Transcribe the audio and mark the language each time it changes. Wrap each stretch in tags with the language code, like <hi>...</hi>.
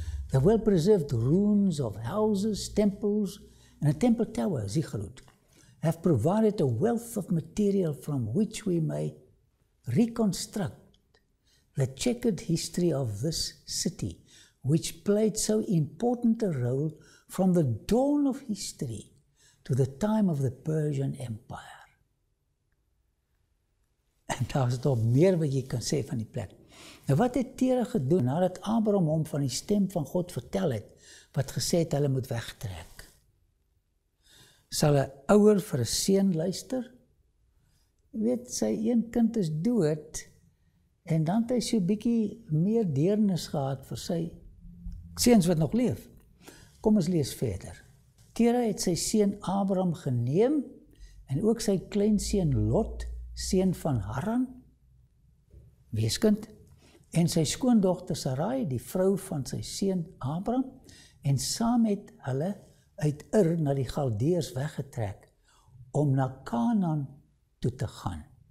<en>The well-preserved ruins of houses, temples, and a temple tower, Ziggurat, have provided a wealth of material from which we may reconstruct the checkered history of this city, which played so important a role from the dawn of history to the time of the Persian Empire.</en> <af>En daar is toch meer wat jy kan sê van die plek. Nou wat het Tera gedoen nadat Abraham hom van die stem van God vertel het, wat gesê het hulle moet wegtrek? Sal een ouer vir een seun luister? Weet, sy een kind is dood, en dan het hy so 'n bietjie meer deernis gehad vir sy seuns wat nog leef. Kom ons lees verder. Tera het sy seun Abraham geneem, en ook sy kleinseun Lot, seun van Haran, weeskind, en sy skoondogter Sarai, die vrou van sy seun Abraham, en saam het hulle uit na die Galdeërs weggetrek, om na Kanaan toe te gaan.</af>